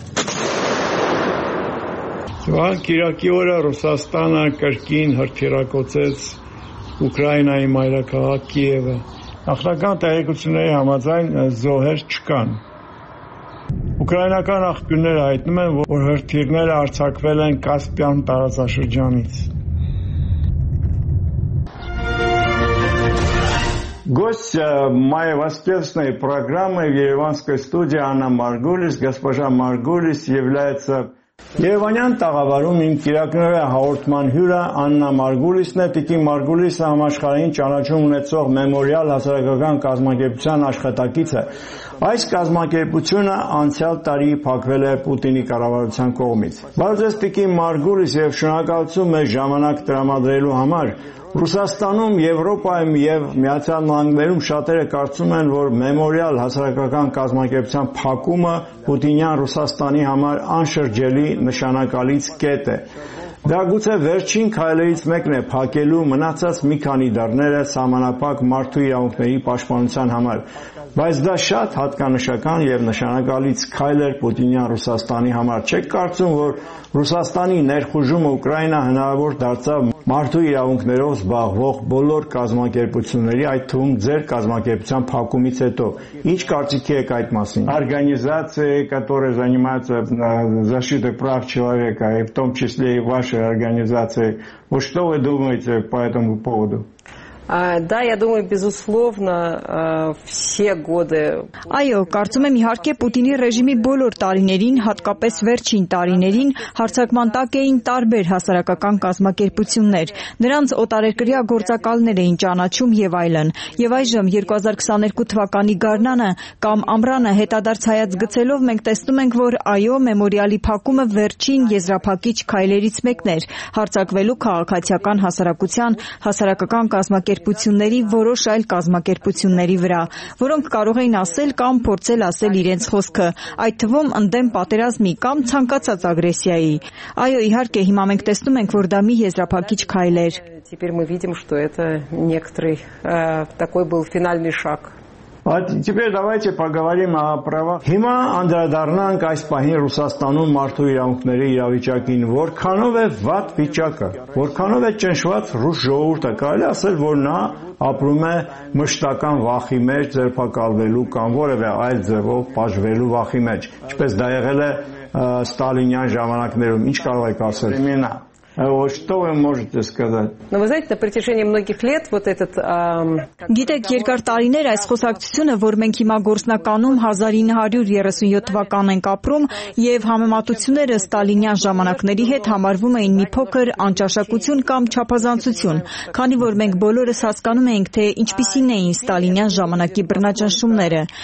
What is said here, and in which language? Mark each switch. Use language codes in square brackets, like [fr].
[hy] Սուան կիրակի օրը Ռուսաստանը կրկին հրթիռակոծեց Ուկրաինայի մայրաքաղաք Կիևը։ Նախնական տեղեկությունների համաձայն զոհեր չկան։ Ուկրաինական աղբյուրները հայտնում են, որ հրթիռները արձակվել են Կասպյան տարածաշրջանից։ [ru] Гость моей воскресной программы в Ереванской студии Анна Маргулис. Госпожа Маргулис является [hy] Երևանյան տաղավարում իմ կիրակները հաղորդման հյուրը Աննա Մարգուլիսն է, տիկի Մարգուլիսը համաշխարհային ճանաչում ունեցող Մեմորիալ հասարակական կազմակերպության աշխատակիցը։ Այս կազմակերպությունը անցյալ տարի փակվել է Պուտինի կառավարության կողմից։ Բարձրաց տիկի Մարգուլիս, եւ շնորհակալություն մեզ ժամանակ տրամադրելու համար։ Ռուսաստանում, Եվրոպայում եւ Միացյալ Նահանգներում շատերը կարծում են, որ Մեմորիալ հասարակական կազմակերպության փակումը Պուտինյան Ռուսաստանի համար անշրջելի նշանակալից կետ է։ Դա գուցե վերջին քայլերից մեկն է փակելու մնացած մի քանի դռները սահմանապակ մարդու իրավունքների պաշտպանության համար, բայց դա շատ հատկանշական եւ նշանակալից քայլ էր Պուտինյան Ռուսաստանի համար։ Չեք կարծում, որ Ռուսաստանի ներխուժումը Ուկրաինա հնարավոր դարձավ մարդու իրավունքներով զբաղվող բոլոր կազմակերպությունների, այդ թվում ձեր կազմակերպության փակումից հետո, ինչ կարծիքի եք այդ մասին? [ru] Организация, которая занимается защитой прав человека, и в том числе и вашей организации, вот что вы думаете по этому поводу? Да, я думаю, безусловно, все годы. [hy] Այո, կարծում եմ իհարկե Պուտինի ռեժիմի բոլոր տարիներին, հատկապես վերջին տարիներին, հարցակման տակ էին տարբեր հասարակական կազմակերպություններ։ Նրանց օտարերկրյա գործակալներ էին ճանաչում եւ այլն։ Եվ այժմ 2022 թվականի գարնանը կամ ամռանը հետադարձ հայաց գցելով մենք տեսնում ենք, որ այո, Մեմորիալի փակումը վերջին եզրափակիչ քայլերից մեկն էր հարցակվելու քաղաքացիական հասարակության հասարակական կազմակերպության կազմակերպությունների որոշ այլ կազմակերպությունների վրա, որոնք կարող էին ասել կամ փորձել ասել իրենց խոսքը, այդ թվում ընդդեմ պատերազմի կամ ցանկացած ագրեսիայի։ Այո, իհարկե, հիմա մենք տեսնում ենք, որ դա մի եզրափակիչ քայլ էր։ [ru] Теперь мы видим, что это некоторый такой был финальный шаг. А теперь давайте поговорим о правах. [hy] Հիմա անդրադառնանք այս պահին Ռուսաստանում մարդու իրավունքների իրավիճակին, որքանով է վատ վիճակը, որքանով է ճնշված ռուս ժողովուրդը, կարելի ասել, որ նա ապրում է մշտական վախի մեջ, ձերբակալվելու կամ որևէ այլ ձևով պաշվելու վախի մեջ, ինչպես դա եղել է ստալինյան ժամանակներում, ինչ կարող եք ասել։ [ru] Что вы можете сказать? Ну, вы знаете, на протяжении многих лет вот этот... [hy] Գիտեք, երկար տարիներ այս խոսակցությունը, որ մենք հիմա գործնականում 1937-ական ենք ապրում, և համեմատությունները ստալինյան ժամանակների հետ համարվում էին մի փոքր անճաշակություն կամ չափազանցություն, քանի որ մենք բոլորս հասկանում էինք, թե ինչպիսին էին ստալինյան ժամանակի բռնաճնշումները.